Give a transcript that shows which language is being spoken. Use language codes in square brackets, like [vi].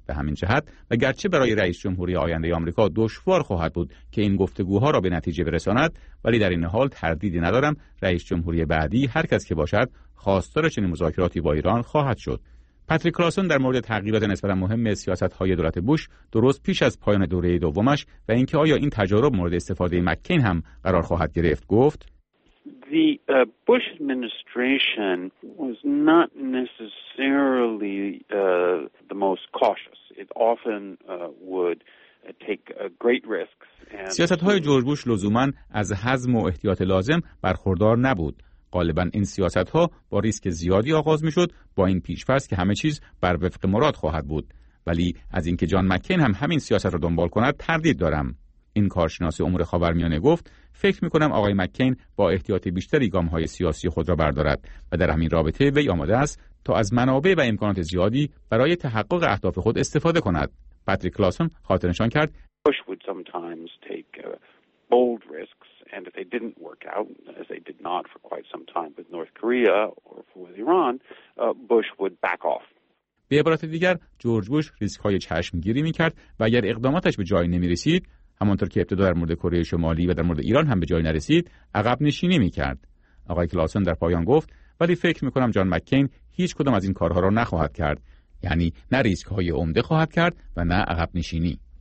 [fa] به همین جهت و گرچه برای رئیس جمهوری آینده آمریکا دشوار خواهد بود که این گفتگوها را به نتیجه برساند، ولی در این حال تردیدی ندارم رئیس جمهوری بعدی هر کس که باشد خواستار چنین مذاکراتی با ایران خواهد شد. پاتریک کلاسون در مورد تغییرات نسبتا مهم سیاست‌های دولت بوش درست پیش از پایان دوره دومش و اینکه آیا این تجارب مورد استفاده مک‌کین هم قرار خواهد گرفت گفت: [en] The Bush administration was not necessarily the most cautious. It often would take great risks. [fa] سیاست‌های جورج بوش لزوماً از حزم و احتیاط لازم برخوردار نبود. غالباً این سیاست‌ها با ریسک زیادی آغاز می‌شد، با این پیش‌فرض که همه چیز بر وفق مراد خواهد بود. ولی از اینکه جان مک‌کین هم همین سیاست را دنبال کند تردید دارم. این کارشناس امور خاورمیانه گفت فکر میکنم آقای مک‌کین با احتیاط بیشتری گام‌های سیاسی خود را بردارد و در همین رابطه وی آماده است تا از منابع و امکانات زیادی برای تحقق اهداف خود استفاده کند. پاتریک کلاسون خاطر نشان کرد [en] Bush would sometimes take bold risks and if they didn't work out as they did not for quite some time with North Korea or with Iran Bush would back off. [fa] به عبارت دیگر جورج بوش ریسک‌های چشمگیری می‌کرد و اگر اقداماتش به جایی نمی‌رسید، همانطور که ابتدا در مورد کره شمالی و در مورد ایران هم به جایی نرسید، عقب نشینی می کرد. آقای کلاسون در پایان گفت ولی فکر میکنم جان مککین هیچ کدام از این کارها را نخواهد کرد، یعنی نه ریسک‌های عمده خواهد کرد و نه عقب نشینی.